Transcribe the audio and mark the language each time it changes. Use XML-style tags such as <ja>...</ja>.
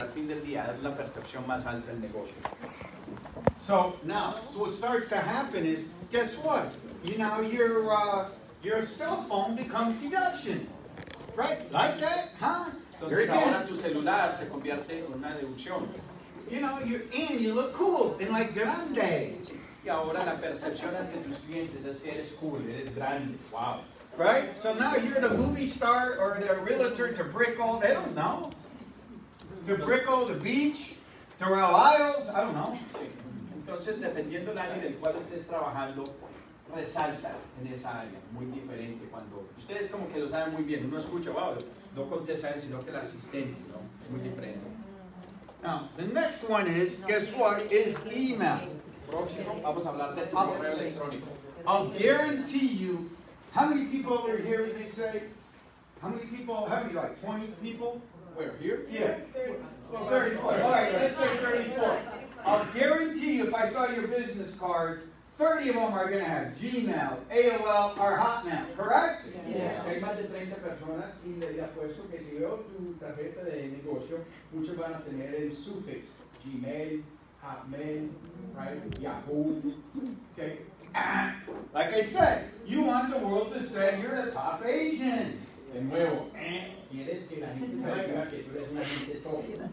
<es>A fin del día, dar la percepción más alta del negocio.</es> <en>So now, so what starts to happen is, guess what? You know, your cell phone becomes deduction, right? Like that, huh?</en> <es>Entonces ahora tu celular se convierte en una deducción.</es> <en>You know, you're in, you look cool, and like grande.</en> <es>Y ahora la percepción ante tus clientes es que eres cool, eres grande, wow.</es> <en>Right? So now you're the movie star or the realtor to Brickell, they don't know. To Brickell, the beach, to Real Isles, I don't know.</en> <es>Entonces, dependiendo del área del cual estés trabajando, resaltas en esa área, muy diferente cuando... Ustedes como que lo saben muy bien, uno escucha, wow, no contesta él, sino que el asistente, ¿no? Muy diferente.</es> <en>Now, the next one is, guess what, is email.</en> <es>Próximo, vamos a hablar de tu correo electrónico.</es> <en>I'll guarantee you, how many people over here would you say? How many people, how many, like 20 people? Where, here? Yeah. 34. All right, let's say 34. I'll guarantee you, if I saw your business card, 30 of them are going to have Gmail, AOL, or Hotmail, correct?</en> <es>Hay más de 30 personas y le había puesto que si veo tu tarjeta de negocio, muchos van a tener el sufix Gmail, Hotmail, right?</es> <en>Yahoo. Okay. And, like I said, you want the world to say you're the top agent.</en> <es>De nuevo, ¿quieres que la gente diga que tú eres un agente top?</es>